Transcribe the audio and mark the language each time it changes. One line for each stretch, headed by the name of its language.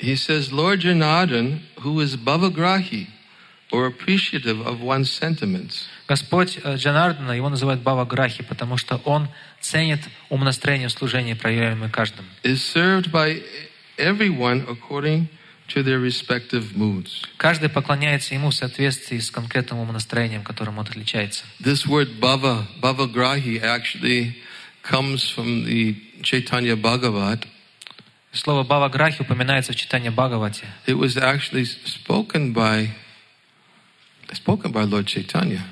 English: He says, Lord Janardan, who is bhavagrahi, or appreciative of one's sentiments.
Russian: Господь Джанардана, его называют бхаваграхи, потому что он ценит умонастроение в служении, проявляемое каждым.
English: Is served by everyone according to their respective moods.
Russian: Каждый поклоняется ему в соответствии с конкретным умонастроением, которым он отличается.
English: This word bhavagrahi actually comes from the Chaitanya Bhagavat.
Russian: Слово бхаваграхи упоминается в Чайтанья Бхагавате.
English: It was actually spoken by Lord Chaitanya.